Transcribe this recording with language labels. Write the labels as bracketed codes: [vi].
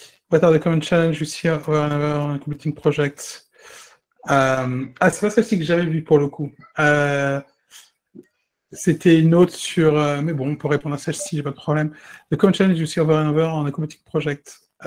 [en] What are the common challenges you see over and over on a computing project? [fr] C'est pas celle-ci que j'avais vu pour le coup. C'était une autre sur. Mais bon, on peut répondre à celle-ci, j'ai pas de problème. [en] The common challenges you see over and over on a computing project.